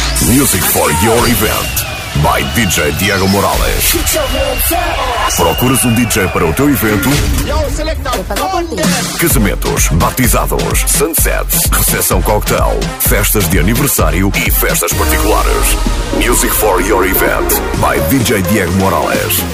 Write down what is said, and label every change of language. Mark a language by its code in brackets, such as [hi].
[en] music for your event by DJ Diego Morales. [pt] Procuras DJ para o teu evento? Casamentos, batizados, sunsets, recepção cocktail, festas de aniversário e festas particulares. [en] Music for your event by DJ Diego Morales.